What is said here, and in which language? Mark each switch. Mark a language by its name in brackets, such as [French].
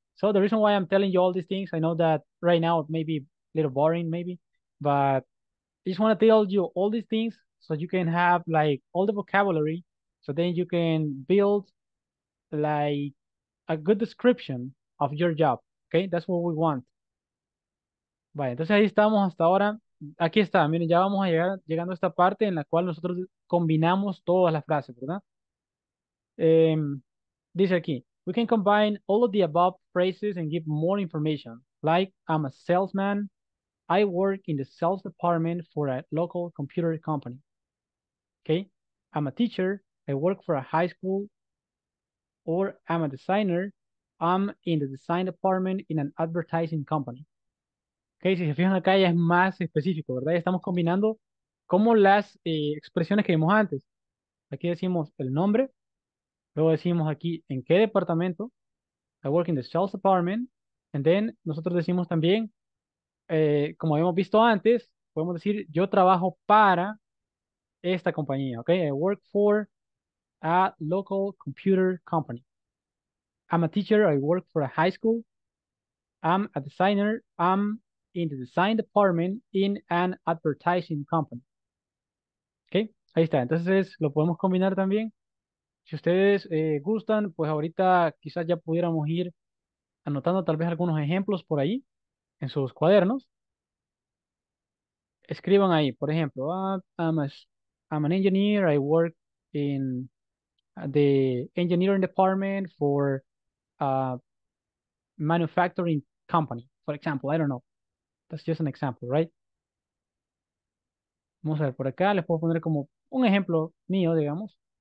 [English] So the reason why I'm telling you all these things, I know that right now it may be a little boring maybe, but I just want to tell you all these things so you can have like all the vocabulary, so then you can build like a good description of your job. Okay, that's what we want. [Spanish] Vale, entonces ahí estamos hasta ahora. Aquí está, miren, ya vamos a llegar llegando a esta parte en la cual nosotros combinamos todas las frases, ¿verdad? Dice aquí, [English] we can combine all of the above phrases and give more information, like I'm a salesman, I work in the sales department for a local computer company. Okay, I'm a teacher, I work for a high school, or I'm a designer, I'm in the design department in an advertising company. [Spanish] Okay, si se fijan acá ya es más específico, ¿verdad? Ya estamos combinando como las expresiones que vimos antes. Aquí decimos el nombre, luego decimos aquí en qué departamento, [English] I work in the sales department, and then [Spanish] nosotros decimos también, como habíamos visto antes, podemos decir yo trabajo para esta compañía, ¿ok? [English] I work for a local computer company. I'm a teacher, I work for a high school. I'm a designer, I'm in the design department in an advertising company. [Spanish] Ok, ahí está. Entonces, lo podemos combinar también. Si ustedes gustan, pues ahorita quizás ya pudiéramos ir anotando tal vez algunos ejemplos por ahí en sus cuadernos. Escriban ahí, por ejemplo, [English] I'm an engineer, I work in the engineering department for a manufacturing company, for example, I don't know. That's just an example, right? [Spanish] Vamos a ver por acá. Les puedo poner como un ejemplo mío, digamos.